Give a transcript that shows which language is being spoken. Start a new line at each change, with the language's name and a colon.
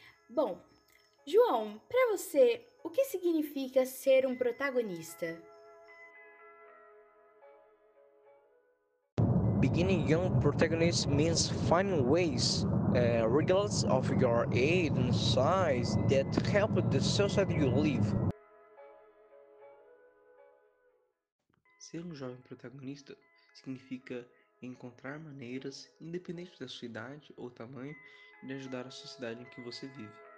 Portuguese: Bom, João, para você, o que significa ser um protagonista?
English: Beginning young protagonist means finding ways, regardless of your age and size, that help the society you live.
Portuguese: Ser um jovem protagonista significa encontrar maneiras, independente da sua idade ou tamanho, de ajudar a sociedade em que você vive.